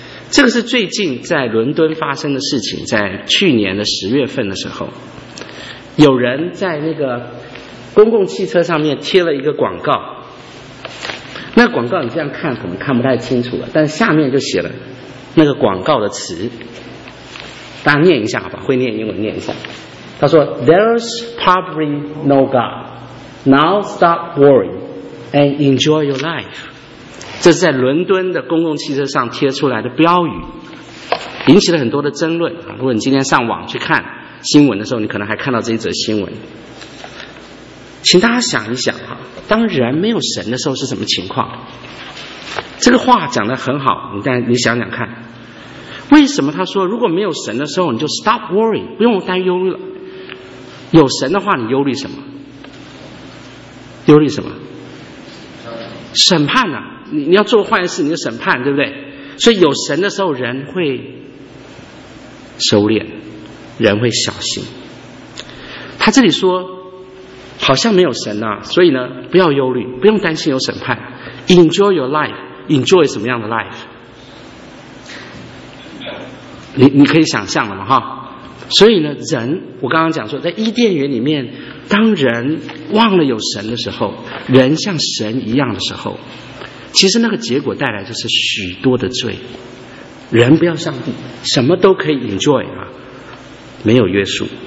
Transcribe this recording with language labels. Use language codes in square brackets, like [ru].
[zh] 这个是最近在伦敦发生的事情，在去年的十月份的时候，有人在那个公共汽车上面贴了一个广告。那广告你这样看可能看不太清楚了，但下面就写了那个广告的词，大家念一下好吧，会念英文念一下。他说 [en] There's probably no God, now stop worrying and enjoy your life。 [zh] 这是在伦敦的公共汽车上贴出来的标语，引起了很多的争论。如果你今天上网去看新闻的时候，你可能还看到这一则新闻。请大家想一想哈，当人没有神的时候是什么情况？这个话讲得很好，你想想看，为什么他说如果没有神的时候你就 [en] stop worry， [zh] 不用担忧了？有神的话你忧虑什么？忧虑什么？审判啊！你要做坏事，你就审判，对不对？所以有神的时候，人会收敛，人会小心。他这里说。好像没有神啊，所以呢不要忧虑，不用担心有审判。 [en] Enjoy your life， Enjoy [zh] 什么样的 [en] life？ [zh] 你可以想象了嘛哈。所以呢，人，我刚刚讲说在伊甸园里面，当人忘了有神的时候，人像神一样的时候，其实那个结果带来就是许多的罪。人不要上帝，什么都可以 Enjoy 啊，没有约束。